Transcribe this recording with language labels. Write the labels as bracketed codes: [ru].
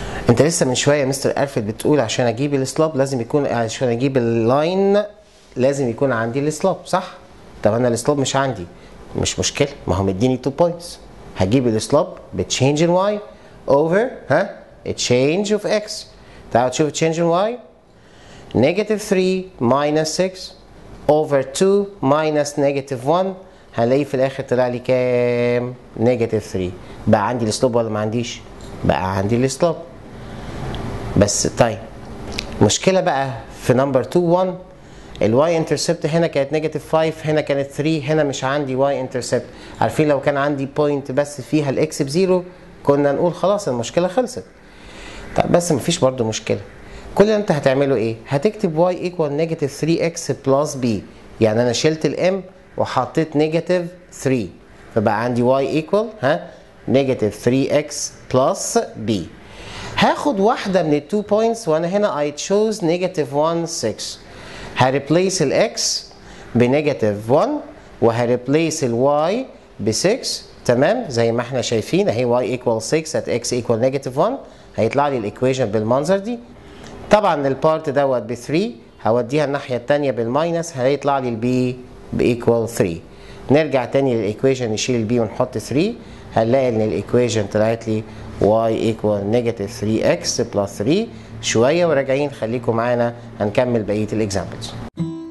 [ar] انت لسه من شوية مستر ألفريد بتقول عشان اجيب السلوب لازم يكون عشان اجيب اللاين لازم يكون عندي السلوب صح؟ طب انا السلوب مش عندي. مش مشكلة. ما هو مديني 2 points. هجيب السلوب بتشينج ان y over تشينج اوف x. تعالوا تشوف تشينج ان y. [en] negative 3 minus 6 over 2 minus negative 1 [ar] هلاقي في الاخر طلع لي كام؟ [en] negative 3. [ar] بقى عندي السلوب ولا ما عنديش؟ بقى عندي السلوب. بس طيب مشكلة بقى في number 2 1 ال y intercept هنا كانت negative 5 هنا كانت 3 هنا مش عندي y intercept. عارفين لو كان عندي point بس فيها ال x ب 0 كنا نقول خلاص المشكلة خلصت. طيب بس مفيش برضو مشكلة. كل اللي انت هتعمله ايه؟ هتكتب y equal negative 3x plus b. يعني انا شلت الام وحطيت negative 3 فبقى عندي y equal [en] negative 3x plus b. [ar] هاخد واحدة من الـ [en] 2 points وأنا هنا I chose negative 1, 6. [ar] هريبليس الـ x بـ negative 1 وهريبليس الـ y بـ 6. تمام؟ زي ما احنا شايفين هي [en] y equals 6 at x equals negative 1. [ar] هيطلع لي الـ equation بالمنظر دي. طبعا الـ part دوت بـ 3 هوديها الناحية التانية بالماينس هيطلع لي الـ b بـ equal 3. نرجع تاني للـ equation نشيل الـ b ونحط 3. هنلاقي ان الايكويشن طلعت لي [en] y equal negative 3x plus 3. [ar] شويه وراجعين خليكم معانا هنكمل بقيه الاكزامبلز.